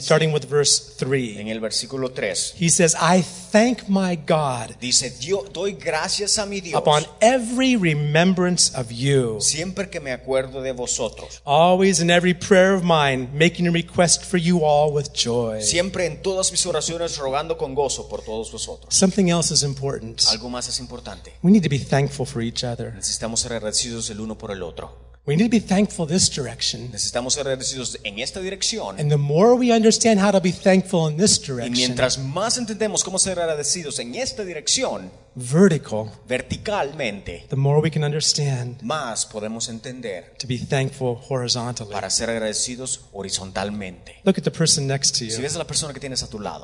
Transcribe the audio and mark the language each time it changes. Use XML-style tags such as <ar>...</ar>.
<en>Starting with verse 3.</en> <es>En el versículo 3.</es> <en>He says, "I thank my God."</en> <es>Dice, doy gracias a mi Dios.</es> <en>"Upon every remembrance of you."</en> <es>Siempre que me acuerdo de vosotros.</es> <en>"Always in every prayer of mine, making a request for you all with joy."</en> <es>Siempre en todas mis oraciones rogando con gozo por todos vosotros.</es> <en>Something else is important.</en> <es>Algo más es importante.</es> <en>We need to be thankful for each other.</en> <es>Necesitamos ser agradecidos el uno por el otro.</es> <en>We need to be thankful this direction.</en> <es>Necesitamos ser agradecidos en esta dirección.</es> <en>And the more we understand how to be thankful in this direction.</en> <es>Y mientras más entendemos cómo ser agradecidos en esta dirección.</es> <en>Vertical.</en> <es>Verticalmente.</es> <en>The more we can understand.</en> <es>Más podemos entender.</es> <en>To be thankful horizontally.</en> <es>Para ser agradecidos horizontalmente.</es> <en>Look at the person next to you.</en> <es>Si ves a la persona que tienes a tu lado.</es>